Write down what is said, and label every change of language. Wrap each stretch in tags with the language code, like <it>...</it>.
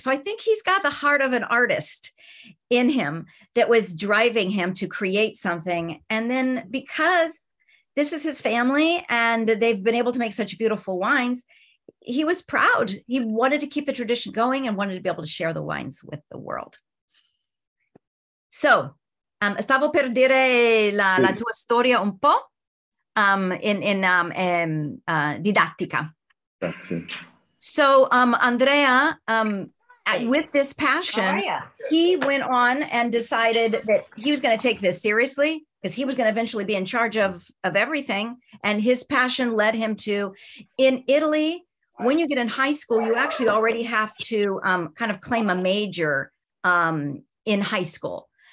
<en>So I think he's got the heart of an artist in him that was driving him to create something. And then because this is his family and they've been able to make such beautiful wines, he was proud. He wanted to keep the tradition going and wanted to be able to share the wines with the world.</en> <it>So stavo per dire la tua storia un po' didattica. Grazie.</it> <en>So Andrea, with this passion, he went on and decided that he was going to take this seriously because he was going to eventually be in charge of everything. And his passion led him to, in Italy, when you get in high school, you actually already have to kind of claim a major in high school.</en>